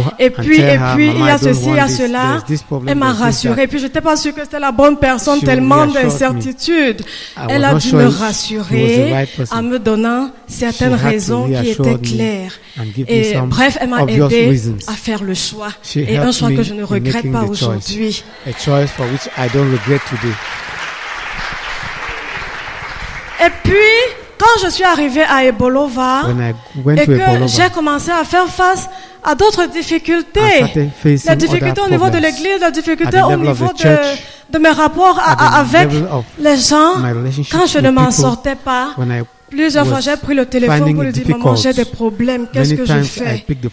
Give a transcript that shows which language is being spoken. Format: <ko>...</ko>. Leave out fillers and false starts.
<fr>Et puis, il y a ceci, il y a cela. Elle m'a rassurée. Et puis, je n'étais pas sûre que c'était la bonne personne, tellement d'incertitudes. Elle a dû me rassurer en me donnant certaines raisons qui étaient claires. Et bref, elle m'a aidée à faire le choix. Et un choix que je ne regrette pas aujourd'hui.</fr> <en>A choice for which I don't regret today.</en> <fr>Et puis, quand je suis arrivée à Ebolova et que j'ai commencé à faire face à d'autres difficultés, la difficulté au niveau de l'église, la difficulté au niveau de mes rapports avec les gens, quand je ne m'en sortais pas, plusieurs fois j'ai pris le téléphone pour lui dire, maman, j'ai des problèmes, qu'est-ce que je fais?</fr>